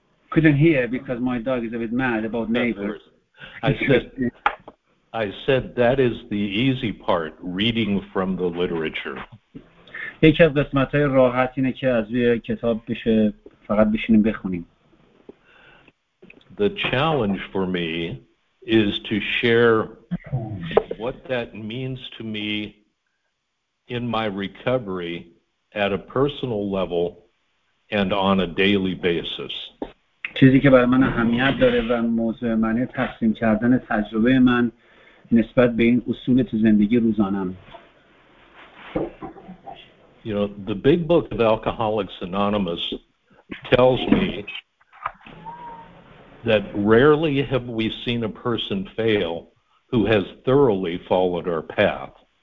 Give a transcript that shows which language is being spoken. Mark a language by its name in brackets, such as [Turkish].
[English] Couldn't hear because my dog is a bit mad about neighbors. I said that is the easy part, reading from the literature. [Persian] یکی از قسمت‌های راحت اینه که از یه کتاب بشه فقط بشینیم بخونیم. [English] The challenge for me is to share what that means to me in my recovery at a personal level and on a daily basis. [Persian] چیزی که برای من اهمیت داره و موضوع منه تقسیم کردن تجربه من نسبت به این اصول تو زندگی روزانم. [English] You know, the big book of Alcoholics Anonymous tells me that rarely have we seen a person fail who has thoroughly followed our path.